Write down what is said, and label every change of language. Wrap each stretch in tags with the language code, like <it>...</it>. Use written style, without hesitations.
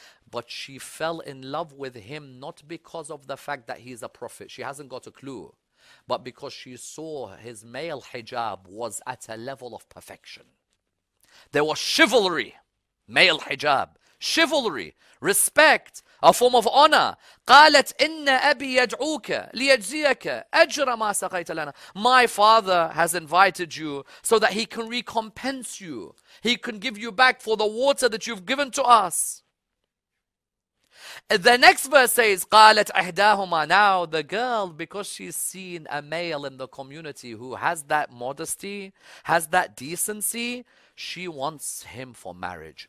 <en>But she fell in love with him not because of the fact that he's a prophet. She hasn't got a clue. But because she saw his male hijab was at a level of perfection. There was chivalry, male hijab, chivalry, respect, a form of honor.</en> <ar>قالت إن أبي يدعوك ليجزيك أجر ما سقيت لنا.</ar> <en>My father has invited you so that he can recompense you. He can give you back for the water that you've given to us. The next verse says,</en> <ar>قالت إحداهما.</ar> <en>Now the girl, because she's seen a male in the community who has that modesty, has that decency, she wants him for marriage.</en>